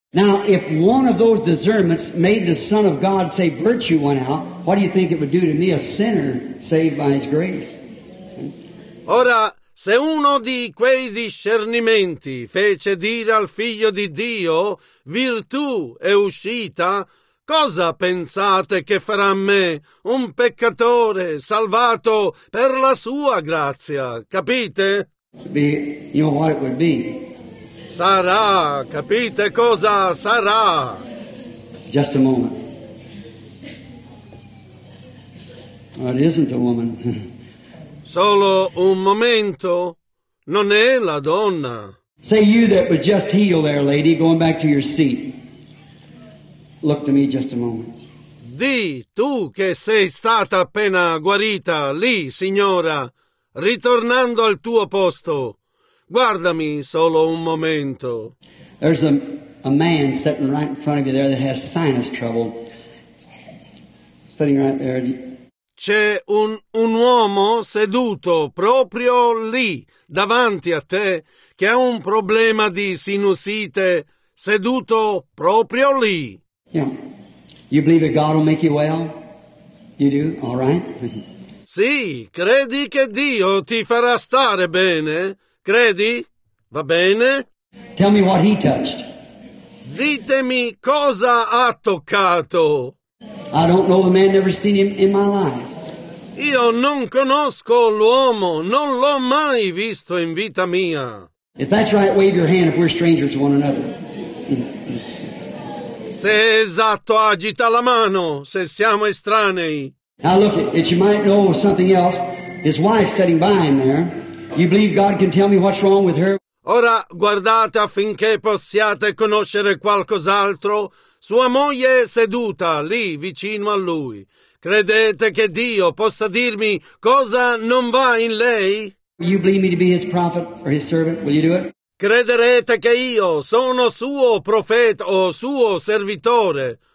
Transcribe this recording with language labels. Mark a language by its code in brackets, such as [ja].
[en] Now, if one of those discernments made the Son of God say virtue went out, what do you think it would do to me, a sinner saved by His grace? [it] Ora, se uno di quei discernimenti fece dire al Figlio di Dio, virtù è uscita, cosa pensate che farà a me, un peccatore salvato per la Sua grazia? Capite? [en] Be, you know what it would be. [it] Sarà, capite cosa sarà? [en] Just a moment. Well, it isn't a woman. [it] Solo un momento. Non è la donna. [en] Say you that was just healed there, lady, going back to your seat. Look to me just a moment. [it] Di tu che sei stata appena guarita lì, signora, ritornando al tuo posto. Guardami solo un momento. [en] There's a man sitting right in front of you there that has sinus trouble. Sitting right there. [it] C'è un uomo seduto proprio lì, davanti a te, che ha un problema di sinusite, seduto proprio lì. [en] Yeah. You believe that God will make you well? You do? All right. [it] Sì, credi che Dio ti farà stare bene? Credi? Va bene? [en] Tell me what he touched. [it] Ditemi cosa ha toccato. [en] I don't know the man, never seen him in my life. [it] Io non conosco l'uomo, non l'ho mai visto in vita mia. [en] If that's right, wave your hand if we're strangers to one another. [it] Se è esatto, agita la mano se siamo estranei. [en] Now look, if you might know something else, his wife's sitting by him there. You believe God can tell me what's wrong with her? [it] Ora guardate affinché possiate conoscere qualcos'altro. Sua moglie è seduta lì vicino a lui. Credete che Dio possa dirmi cosa non va in lei? [en] You believe me to be his prophet or his servant? Will you do it? [it] Crederete che io sono suo profeta o suo servitore?